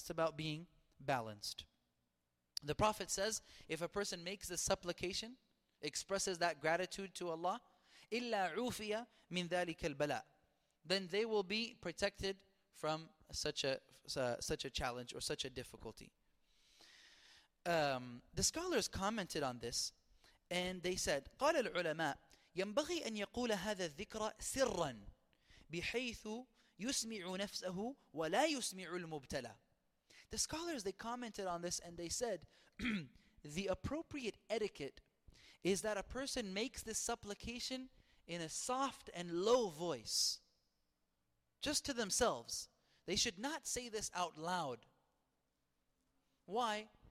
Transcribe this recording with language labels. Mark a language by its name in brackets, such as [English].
[English] It's about being balanced. The Prophet says, if a person makes a supplication, expresses that gratitude to Allah, [Arabic] إِلَّا عُوفِيَ مِنْ ذَلِكَ الْبَلَىٰ, [English] then they will be protected from such a challenge or such a difficulty. The scholars commented on this, and they said, [Arabic] قال العلماء ينبغي أن يقول هذا الذكر سرا بحيث يسمع نفسه ولا يسمع المبتلى. [English] The scholars, they commented on this, and they said, the appropriate etiquette is that a person makes this supplication in a soft and low voice, just to themselves. They should not say this out loud. Why?